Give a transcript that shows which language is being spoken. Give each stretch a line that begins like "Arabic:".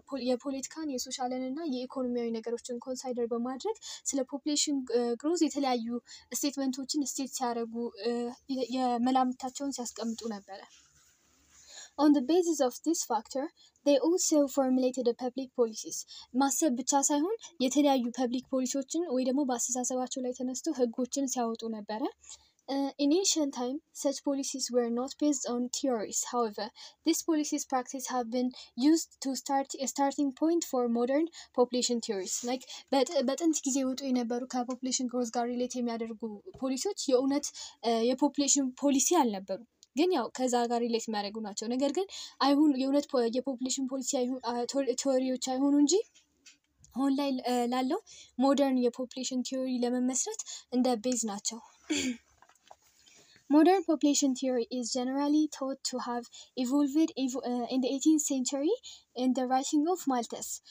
Amharic: የፖለቲካን የሶሻልንና የኢኮኖሚያዊ ነገሮችን ኮንሳይደር በማድረግ ስለ ፖፕሌሽን ግሮዝ የተለያዩ ስቴትመንቶችን ስቴት ሲያደርጉ የመላምታቸውን ሲያስቀምጡ ነበር።
English: On the basis of this factor, they also formulated the public policies.
Amharic: ማሰብ ብቻ ሳይሆን የተለያዩ ፐብሊክ ፖሊሲዎችን ወይ ደግሞ በአስተሳሰባቸው ላይ ተነስተው ህጎችን ሲያወጡ ነበር።
English: In ancient time, such policies were not based on theories. However, these policies practice have been used to start a starting point for modern population theories.
Amharic: Like, በጥንት ጊዜ ወጡ የነበሩ ከፖፕሌሽን ግሮዝ ጋር ሪሌት የሚያደርጉ ፖሊሲዎች የእውነት የፖፕሌሽን ፖሊሲ አልነበሩ። ግን ያው ከዛ ጋር ሪሌት የሚያደርጉ ናቸው። ነገር ግን አይሁን የእውነት የፖፕሌሽን ፖሊሲ ቲዮሪዎች አይሆኑ እንጂ አሁን ላይ ላለው ሞደርን የፖፕሌሽን ቲዮሪ ለመመስረት እንደ ቤዝ ናቸው።
English: Modern population theory is generally thought to have evolved in the 18th century in the writing of Malthus.